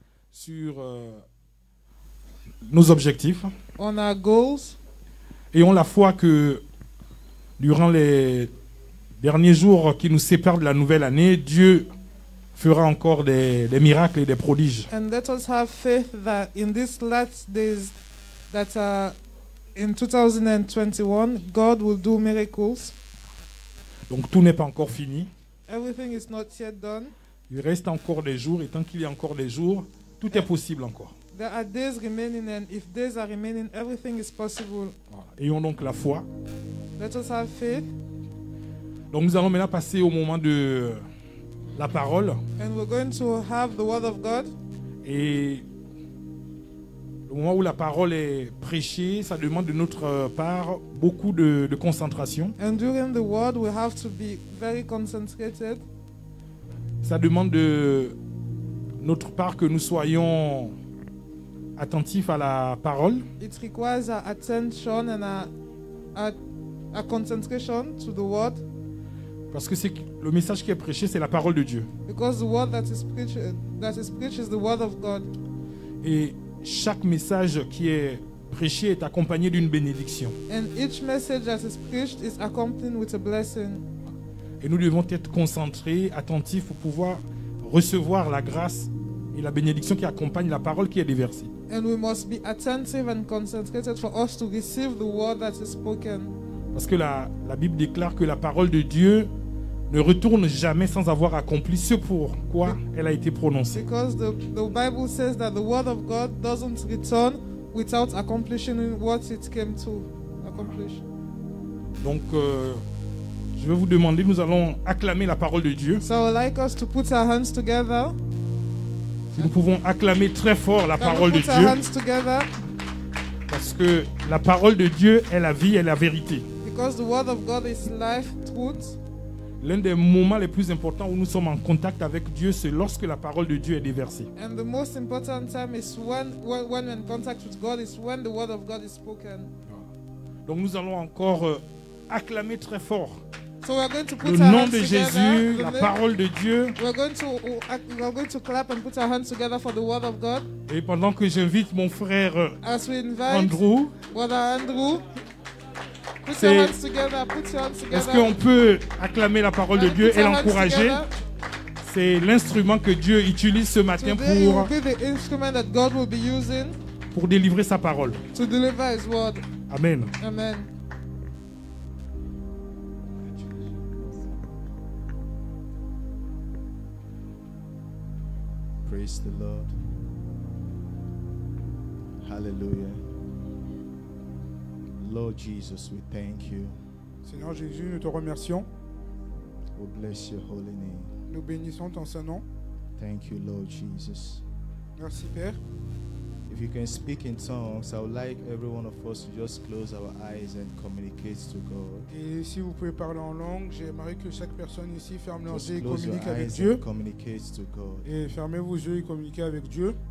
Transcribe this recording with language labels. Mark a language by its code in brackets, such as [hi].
[fr] sur nos objectifs. [en] On our goals. [fr] Et on la foi que durant les derniers jours qui nous séparent de la nouvelle année, Dieu fera encore des miracles et des prodiges. [en] And let us have faith that in these last days that are in 2021, God will do miracles. [fr] Donc tout n'est pas encore fini. [en] Everything is not yet done. [fr] Il reste encore des jours et tant qu'il y a encore des jours, tout est possible encore. [en] There are days remaining and if days are remaining, everything is possible. [fr] Ayons donc la foi. [en] Let us have faith. [fr] Donc nous allons maintenant passer au moment de la parole. [en] And we're going to have the word of God. [fr] Et le moment où la parole est prêchée, ça demande de notre part beaucoup de concentration. [en] And during the word, we have to be very concentrated. [fr] Ça demande de notre part que nous soyons attentifs à la parole. [en] It requires our attention and our concentration to the word. [fr] Parce que c'est le message qui est prêché, c'est la parole de Dieu. [en] Because the word that is preached is the word of God. [fr] Et chaque message qui est prêché est accompagné d'une bénédiction. [en] And each message that is preached is accompanied with a blessing. [fr] Et nous devons être concentrés, attentifs pour pouvoir recevoir la grâce et la bénédiction qui accompagne la parole qui est déversée. [en] And we must be attentive and concentrated for us to receive the word that is spoken. [fr] Parce que la Bible déclare que la parole de Dieu ne retourne jamais sans avoir accompli ce pour quoi elle a été prononcée. [en] Because the Bible says that the word of God doesn't return without accomplishing what it came to accomplish. [fr] Donc je vais vous demander, nous allons acclamer la parole de Dieu. [en] So I would like us to put our hands together. [fr] Si nous pouvons acclamer très fort la parole de Dieu. Parce que la parole de Dieu est la vie et la vérité. [en] Because the word of God is life, truth. [fr] L'un des moments les plus importants où nous sommes en contact avec Dieu, c'est lorsque la parole de Dieu est déversée. [en] And the most important time is when we're in contact with God is when the word of God is spoken. [fr] Donc nous allons encore acclamer très fort. [en] So we're going to put [fr] le [en] our [fr] nom [en] hands [fr] de Jésus, la parole de Dieu. [en] We're going to clap and put our hands together for the word of God. [fr] Et pendant que j'invite mon frère [en] as we invite Andrew, brother Andrew. Put your hands together, put your hands together. [fr] Est-ce qu'on peut acclamer la parole de Dieu et l'encourager? C'est l'instrument que Dieu utilise ce matin pour délivrer sa parole. [en] To deliver his word. Amen. Amen. Praise the Lord. Hallelujah. Lord Jesus, we thank you. [fr] Seigneur Jésus, nous te remercions. [en] We bless your holy name. [fr] Nous bénissons ton saint nom. [en] Thank you, Lord Jesus. [fr] Merci, Père. [en] If you can speak in tongues, I would like every one of us to just close our eyes and communicate to God. [fr] Et si vous pouvez parler en langue, j'aimerais que chaque personne ici ferme leurs yeux et communique avec Dieu. [en] Communicate to God. [fr] Et fermez vos yeux et communiquez avec Dieu.